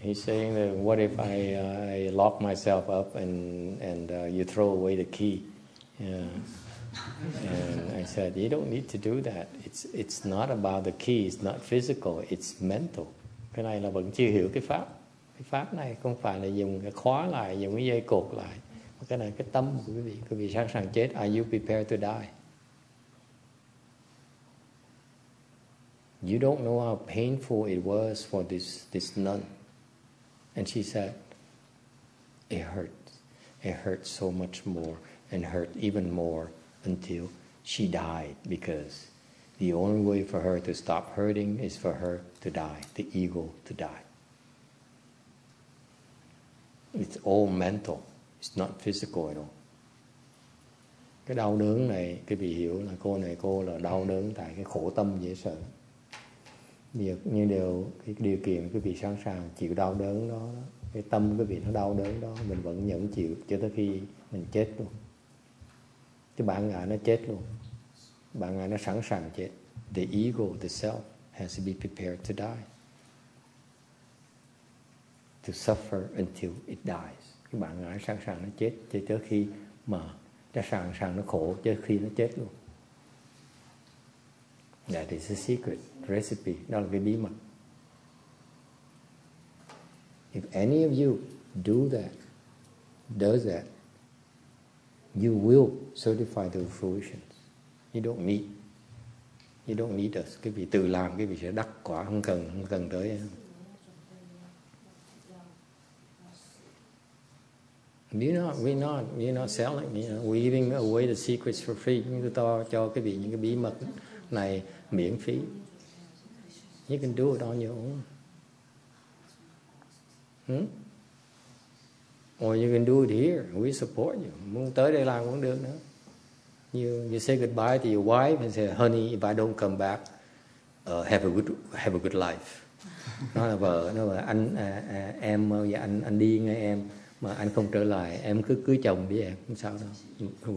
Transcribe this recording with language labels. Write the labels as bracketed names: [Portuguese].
[English] He's saying that what if I lock myself up and you throw away the key? Yeah. And I said, you don't need to do that. It's not about the key. It's not physical. It's mental. [Vietnamese] Cái này là vẫn chưa hiểu cái pháp. Cái pháp này không phải là dùng cái khóa lại, dùng cái dây cột lại. Mà cái này cái tâm của quý vị. Quý vị sẵn sàng chết. [English] Are you prepared to die? You don't know how painful it was for this nun. And she said, it hurts. It hurts so much more and hurt even more until she died, because the only way for her to stop hurting is for her to die, the ego to die. It's all mental. It's not physical at all. [Vietnamese] Cái đau đớn này, cái bị hiểu là cô này cô là đau đớn tại cái khổ tâm dễ sợ. Việc như điều cái điều kiện quý vị sẵn sàng chịu đau đớn đó, cái tâm quý vị nó đau đớn đó, mình vẫn nhẫn chịu cho tới khi mình chết luôn. Cái bản ngã nó chết luôn, bản ngã nó sẵn sàng chết. [English] The ego, the self, has to be prepared to die, to suffer until it dies. [Vietnamese] Cái bản ngã sẵn sàng nó chết cho tới khi mà nó sẵn sàng nó khổ cho tới khi nó chết luôn. [English] That is the secret recipe. [Vietnamese] Đó là cái bí mật. [English] If any of you do that, does that, you will certify the fruition. You don't need us. [Vietnamese] Cái vị tự làm, cái vị sẽ đắc quả, không cần tới. [English] We're not selling. You know, we're giving away the secrets for free. [Vietnamese] Chúng ta cho cái vị những cái bí mật này miễn phí. [English] You can do it on your own. Or you can do it here. We support you. [Vietnamese] Muốn tới đây làm cũng được nữa. [English] You say goodbye to your wife and say, honey, if I don't come back, have a good life. [Vietnamese] Nói là vợ, nói là anh em và anh đi ngay em, mà anh không trở lại, em cứ cưới chồng đi em, không sao đâu.